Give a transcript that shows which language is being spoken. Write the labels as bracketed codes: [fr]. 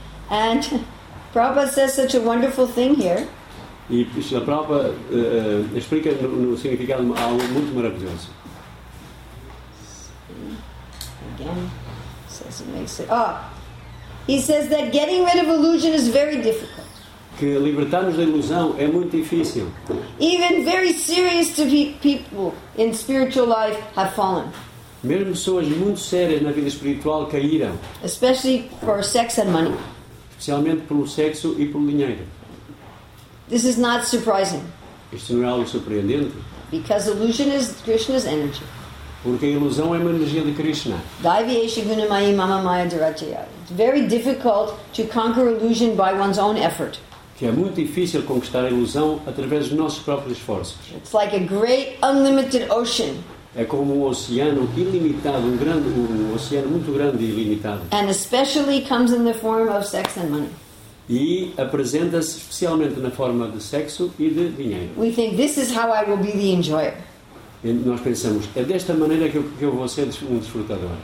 [en] And Prabhupada says such a wonderful thing here. [pt] E a Prabhupada explica no significado algo muito maravilhoso. [en] Again, says it makes it. Oh, he says that getting rid of illusion is very difficult. [pt] Que libertar-nos da ilusão é muito difícil. [en] Even very serious people in spiritual life have fallen. [pt] Mesmo pessoas muito sérias na vida espiritual caíram. [en] Especially for sex and money. [pt] Especialmente pelo sexo e pelo dinheiro. [en] This is not surprising. [pt] Isto não é algo surpreendente. [en] Because illusion is Krishna's energy. [pt] Porque a ilusão é uma energia de Krishna. [sa] Daivyesha gunamayi mama maya dharatiya. [en] Very difficult to conquer illusion by one's own effort. [pt] Que é muito difícil conquistar a ilusão através dos nossos próprios esforços. [en] It's like a great unlimited ocean. [pt] É como um oceano ilimitado, um oceano muito grande e ilimitado. [en] And especially comes in the form of sex and money. [pt] E apresenta-se especialmente na forma de sexo e de dinheiro. [en] We think this is how I will be the enjoyer. [pt] E nós pensamos, é desta maneira que eu vou ser um desfrutador.